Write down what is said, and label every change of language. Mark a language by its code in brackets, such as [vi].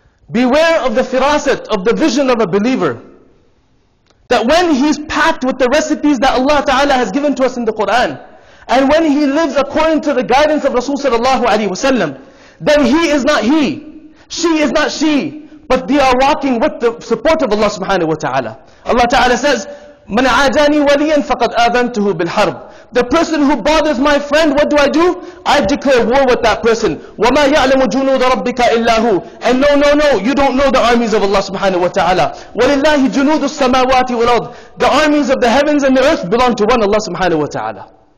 [en] Beware of the firasat, of the vision of a believer. That when he's packed with the recipes that Allah Ta'ala has given to us in the Quran, and when he lives according to the guidance of Rasul sallallahu alayhi wa sallam, then he is not he, she is not she, but they are walking with the support of Allah subhanahu wa ta'ala. Allah Ta'ala says, [ar] مَنْ عَادَانِي وَلِيًا فَقَدْ آذَنْتُهُ بِالْحَرْبِ. [en] The person who bothers my friend, what do? I declare war with that person. [ar] وَمَا يَعْلَمُ جُنُودَ رَبِّكَ إِلَّا هُ. [en] And no, you don't know the armies of Allah subhanahu wa ta'ala. [ar] وَلِلَّهِ جُنُودُ السَّمَاوَاتِ وَالْأَرْضِ. [en] The armies of the heavens and the earth belong to one Allah subhanahu wa ta'ala.